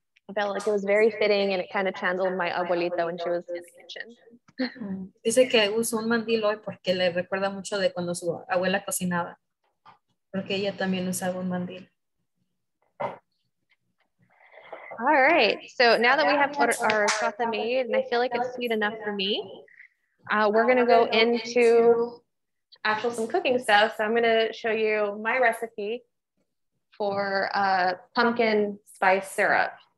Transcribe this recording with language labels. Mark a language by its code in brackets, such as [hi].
[en] I felt like it was very fitting and it kind of channeled my abuelita when she was in the kitchen. [es] Dice que usó un mandil hoy porque le recuerda mucho de cuando su abuela cocinaba. Porque ella también usaba un mandil. [en] All right, so now that we have our tata made, and I feel like it's sweet enough for me, we're going to go into actually some cooking stuff. So I'm going to show you my recipe for pumpkin spice syrup.